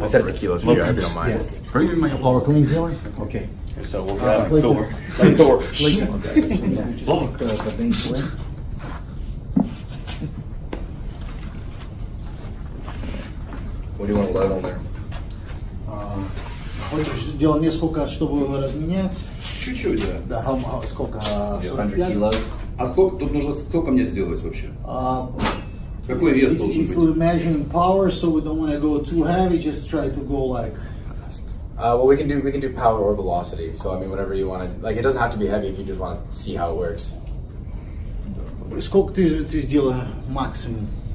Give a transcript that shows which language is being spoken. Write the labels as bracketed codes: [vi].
[en] I said it's a kilo, so you guys don't mind. Yes. Bring me my power clean, Zillard. Okay. So we'll grab the door. Like the door. Shh. Lock. What do you want to load on there? [ru] Хочешь сделать несколько, чтобы разменять? Чуть-чуть, да. Да, [en] how [ru] сколько? [en] 45? 100 kilos. [ru] А сколько тут нужно, сколько мне сделать вообще? Какой вес должен быть? [en] If we're measuring power, so we don't want to go too heavy, just try to go like fast. Well, we can do power or velocity. So I mean, whatever you want to, like it doesn't have to be heavy if you just want to see how it works. [ru] Сколько ты сделал максимум?